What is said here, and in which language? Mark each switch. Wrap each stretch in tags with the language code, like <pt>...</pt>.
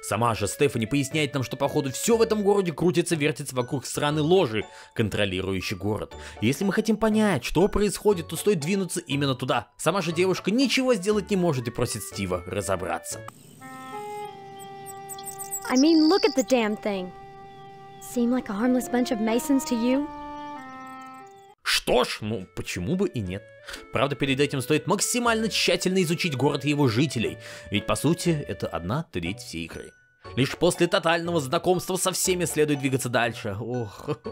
<ru>Сама же Стефани поясняет нам, что походу все в этом городе крутится-вертится вокруг сраной ложи, контролирующей город. Если мы хотим понять, что происходит, то стоит двинуться именно туда. Сама же девушка ничего сделать не может и просит Стива разобраться.</ru> <en>I mean, look at the damn thing. Seem like a harmless bunch of masons to you?</en> <ru>Что ж, ну почему бы и нет. Правда, перед этим стоит максимально тщательно изучить город и его жителей, ведь по сути это одна треть всей игры. Лишь после тотального знакомства со всеми следует двигаться дальше. Ох.</ru>